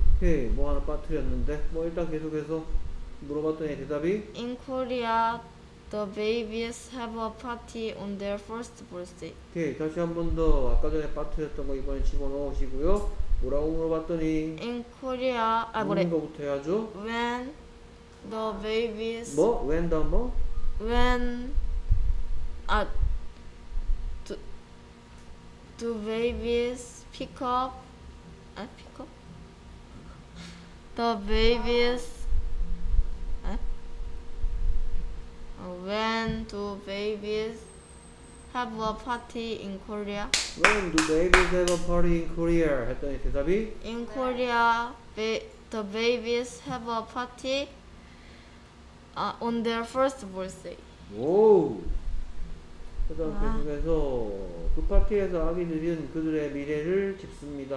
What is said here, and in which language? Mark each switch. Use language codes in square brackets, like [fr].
[ko] 오케이, 뭐 하나 빠뜨렸는데 뭐 일단 계속해서 물어봤더니 대답이 [en] In Korea, the babies have a party on their first birthday. [ko] 오케이, 다시 한 번 더 아까 전에 빠뜨렸던 거 이번에 집어넣으시고요. 뭐라고 물어봤더니 [en] In Korea, [ko] 아 그래 묻는 거부터 해야죠. [en] When the babies [ko] 뭐? [en] When the [ko] 뭐? [en] When [ko] 아 [en] Do babies pick up? [ko] 아, [en] pick up? The babies. [ko] 아? [en] When do babies have a party in Korea? When do babies have a party in Korea? [ko] 했더니 대답이? [en] In Korea, the babies have a party on their first birthday. [ko] 오! 그다음 계속해서 그 파티에서 아기들은 그들의 미래를 짓습니다.